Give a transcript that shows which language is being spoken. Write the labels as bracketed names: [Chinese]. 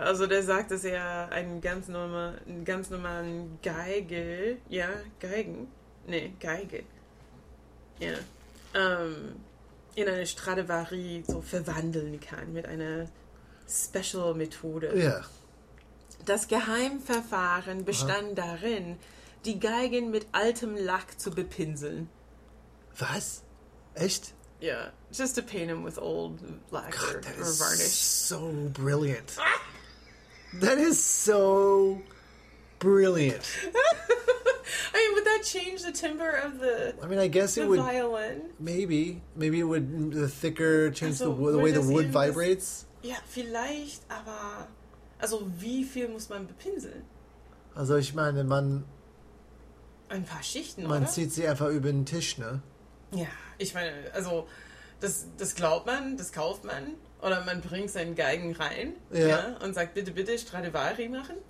[German] Also der sagt, dass er einen ganz normalen Geige, ja, Geigen, nee, Geige, ja. Yeah. In eine Stradivari so verwandeln kann, mit einer Special-Methode. Ja. Das Geheimverfahren bestand darin, die Geigen mit altem Lack zu bepinseln. Was? Echt? Ja, yeah. [English] Just to paint them with old lack or varnish. So brilliant. That is so brilliant. I change the timbre of the violin? I mean, I guess it would. Violin. Maybe. Maybe it would, the thicker, change also, the way the wood vibrates. [German] Ja, vielleicht, aber, also wie viel muss man bepinseln? Also ich meine, man... Ein paar Schichten, man oder? Man zieht sie einfach über den Tisch, ne? Ja, ich meine, also das glaubt man, das kauft man. Oder man bringt seinen Geigen rein, ja. Ja, und sagt, bitte, bitte, Stradivari machen.